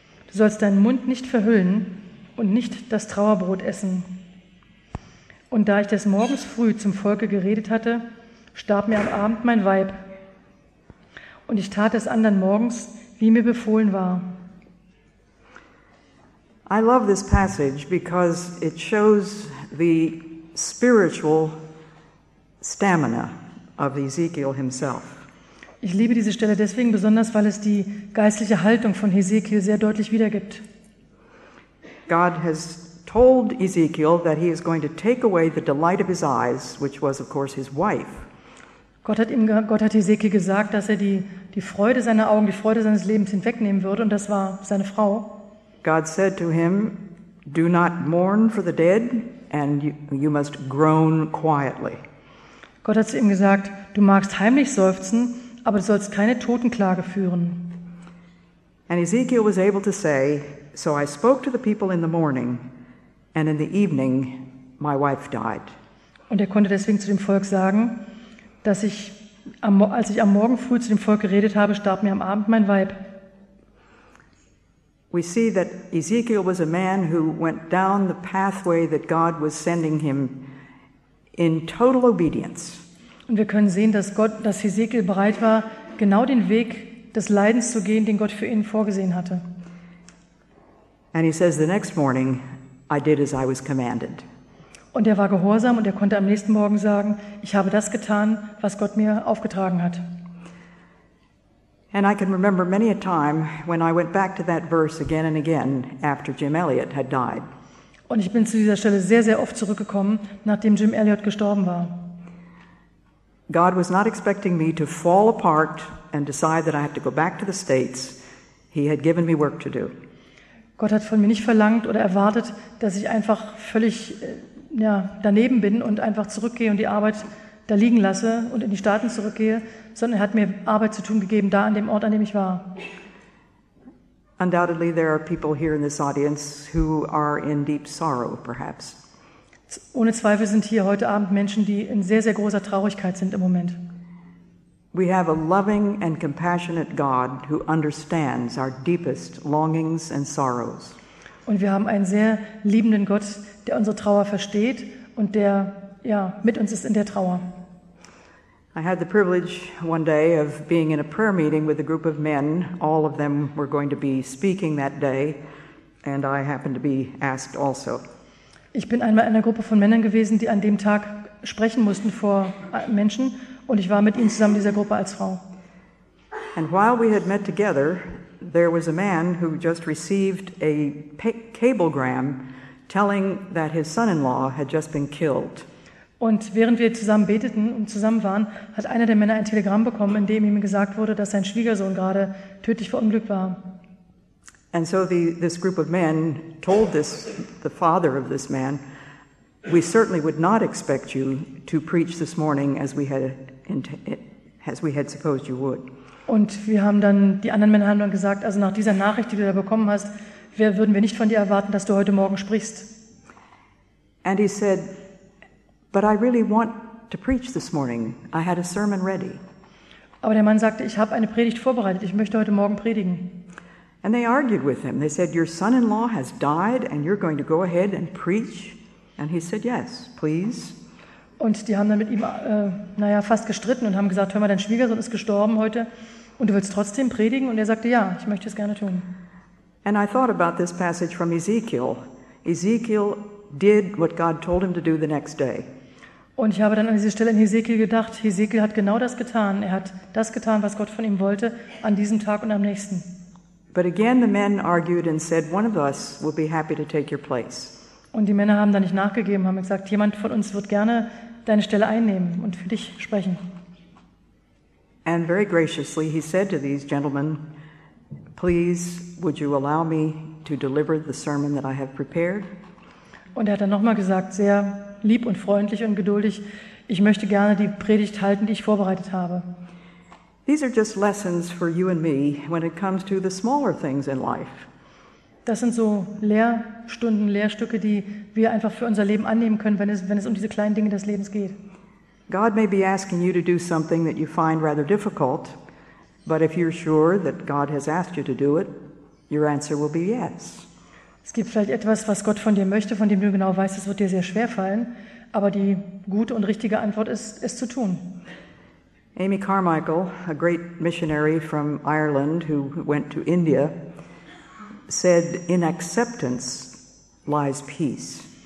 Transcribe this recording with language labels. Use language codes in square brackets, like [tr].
[de] Du sollst deinen Mund nicht verhüllen und nicht das Trauerbrot essen. Und da ich des Morgens früh zum Volke geredet hatte, starb mir am Abend mein Weib. Und ich tat es andern Morgens, wie mir befohlen war. [en] I love this passage because it shows the spiritual stamina of Ezekiel himself. [de] Ich liebe diese Stelle deswegen besonders, weil es die geistliche Haltung von Ezekiel sehr deutlich wiedergibt. [en] God has told Ezekiel that he is going to take away the delight of his eyes, which was of course his wife. [de] Gott hat Ezekiel gesagt, dass er die Freude seiner Augen, die Freude seines Lebens hinwegnehmen würde, und das war seine Frau. [en] God said to him, "Do not mourn for the dead, and you must groan quietly." [de] Gott hat zu ihm gesagt, du magst heimlich seufzen, aber du sollst keine Totenklage führen. [en] And Ezekiel was able to say, "So I spoke to the people in the morning, and in the evening my wife died." [de] Und er konnte deswegen zu dem Volk sagen, dass ich, als ich am Morgen früh zu dem Volk geredet habe, starb mir am Abend mein Weib. [en] We see that Ezekiel was a man who went down the pathway that God was sending him in total obedience. [de] Und wir können sehen, dass Ezekiel bereit war, genau den Weg des Leidens zu gehen, den Gott für ihn vorgesehen hatte. [en] And he says, the next morning, I did as I was commanded. [de] Und er war gehorsam und er konnte am nächsten Morgen sagen, ich habe das getan, was Gott mir aufgetragen hat. [en] And I can remember many a time when I went back to that verse again and again after Jim Elliot had died. [de] Und ich bin zu dieser Stelle sehr, sehr oft zurückgekommen, nachdem Jim Elliot gestorben war. [en] God was not expecting me to fall apart and decide that I had to go back to the States. He had given me work to do. [de] Gott hat von mir nicht verlangt oder erwartet, dass ich einfach völlig daneben bin und einfach zurückgehe und die Arbeit da liegen lasse und in die Staaten zurückgehe, sondern er hat mir Arbeit zu tun gegeben, da an dem Ort, an dem ich war. [en] Undoubtedly there are people here in this audience who are in deep sorrow, perhaps. [de] Ohne Zweifel sind hier heute Abend Menschen, die in sehr, sehr großer Traurigkeit sind im Moment. [en] We have a loving and compassionate God who understands our deepest longings and sorrows. [de] Und wir haben einen sehr liebenden Gott, der unsere Trauer versteht und der mit uns ist in der Trauer. [en] I had the privilege one day of being in a prayer meeting with a group of men. All of them were going to be speaking that day, and I happened to be asked also. [de] Ich bin einmal in einer Gruppe von Männern gewesen, die an dem Tag sprechen mussten vor Menschen, und ich war mit ihnen zusammen in dieser Gruppe als Frau. [en] And while we had met together, there was a man who just received a cablegram telling that his son-in-law had just been killed. [de] Und während wir zusammen beteten und zusammen waren, hat einer der Männer ein Telegramm bekommen, in dem ihm gesagt wurde, dass sein Schwiegersohn gerade tödlich verunglückt war. [en] And so this group of men told the father of this man, we certainly would not expect you to preach this morning as we had supposed you would. [de] Und wir haben dann die anderen Männer haben dann gesagt, also nach dieser Nachricht, die du da bekommen hast, würden wir nicht von dir erwarten, dass du heute Morgen sprichst. [en] And he said, but I really want to preach this morning. I had a sermon ready. [de] Aber der Mann sagte, ich habe eine Predigt vorbereitet. Ich möchte heute Morgen predigen. [en] And they argued with him. They said, your son-in-law has died and you're going to go ahead and preach? And he said, yes, please. [de] Und die haben dann mit ihm fast gestritten und haben gesagt, hör mal, dein Schwiegersohn ist gestorben heute und du willst trotzdem predigen? Und er sagte, ja, ich möchte es gerne tun. [en] And I thought about this passage from Ezekiel. Ezekiel did what God told him to do the next day. [de] Und ich habe dann an diese Stelle in Hesekiel gedacht. Hesekiel hat genau das getan. Er hat das getan, was Gott von ihm wollte, an diesem Tag und am nächsten. [en] But again the men argued and said, one of us will be happy to take your place. [de] Und die Männer haben dann nicht nachgegeben, haben gesagt, jemand von uns wird gerne deine Stelle einnehmen und für dich sprechen. [en] And very graciously he said to these gentlemen, please would you allow me to deliver the sermon that I have prepared? [de] Und er hat dann nochmal gesagt, sehr lieb und freundlich und geduldig, ich möchte gerne die Predigt halten, die ich vorbereitet habe. [en] These are just lessons for you and me when it comes to the smaller things in life. [de] Das sind so Lehrstunden, Lehrstücke, die wir einfach für unser Leben annehmen können, wenn es um diese kleinen Dinge des Lebens geht. [en] God may be asking you to do something that you find rather difficult, but if you're sure that God has asked you to do it, your answer will be yes. [de] Es gibt vielleicht etwas, was Gott von dir möchte, von dem du genau weißt, es wird dir sehr schwer fallen, aber die gute und richtige Antwort ist, es zu tun. [en] Amy Carmichael, a great missionary from Ireland who went to India, said, "In acceptance lies peace."